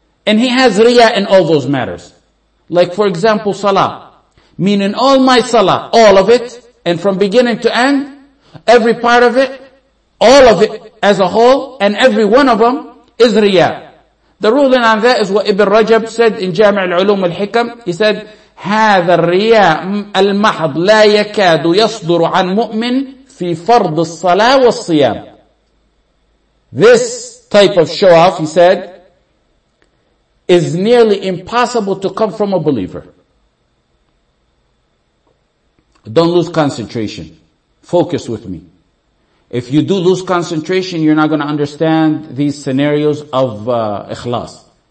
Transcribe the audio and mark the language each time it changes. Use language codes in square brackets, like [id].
[en] And he has riya in all those matters. Like for example, salah. Meaning all my salah, all of it, and from beginning to end, every part of it, all of it as a whole, and every one of them is riya. The ruling on that is what Ibn Rajab said in Jami' al-Ulum al-Hikam. He said, [ar] هذا الرياء المحض لا يكاد يصدر عن مؤمن في فرض الصلاة والصيام. [en] This type of show-off, he said, is nearly impossible to come from a believer. Don't lose concentration. Focus with me. If you do lose concentration, you're not going to understand these scenarios of ikhlas.